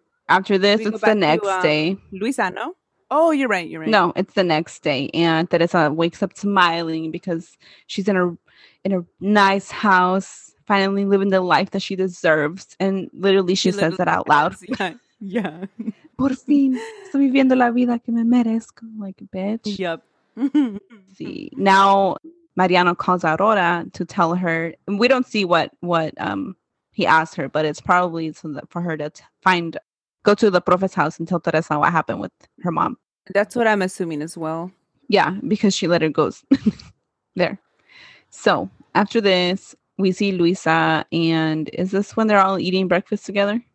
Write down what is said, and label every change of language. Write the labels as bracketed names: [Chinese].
[English] After this, it's the next day. Luisa, no? Oh, you're right. No, it's the next day, and Teresa wakes up smiling because she's in a nice house, finally living the life that she deserves, and literally she says it out loud. Yeah. [Spanish] Por fin, estoy viviendo la vida que me merezco, [English] like, bitch. Yep. See, now Mariano calls Aurora to tell her, and we don't see what he asked her, but it's probably so that for her to go to the profe's house and tell Teresa what happened with her mom. That's what I'm assuming as well. Yeah, because she let her go there. So after this, we see Luisa, and is this when they're all eating breakfast together?